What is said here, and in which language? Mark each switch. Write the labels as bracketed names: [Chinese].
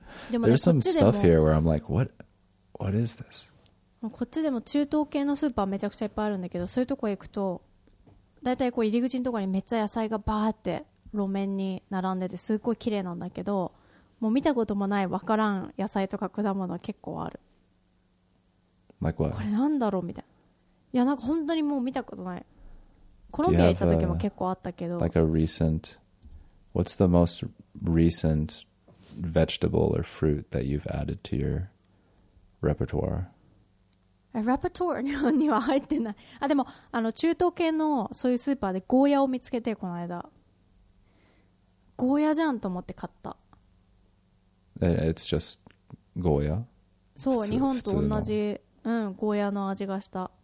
[Japanese] でもね、 [English] There's some stuff here where I'm like, what is this? [Japanese] こっちでも中東系のスーパーめちゃくちゃいっぱいあるんだけど、そういうとこ行くと、だいたいこう入り口のところにめっちゃ野菜がバーって路面に並んでて、すっごい綺麗なんだけど、もう見たこともない分からん野菜とか果物は結構ある。 [English] Like what? [Japanese] これなんだろうみたいな。いや、なんか本当にもう見たことない。コロンビア行った時も結構あったけど。 [English] Like a recent... What's the most recent... vegetable or fruit that you've added to your repertoire? A repertoire? [Japanese] 日本には入ってない。あ、でも、あの、中東系のそういうスーパーでゴーヤを見つけて、この間。ゴーヤじゃんと思って買った。 [English] It's just ゴーヤ? [Japanese] そう、日本と同じ、うん、ゴーヤの味がした。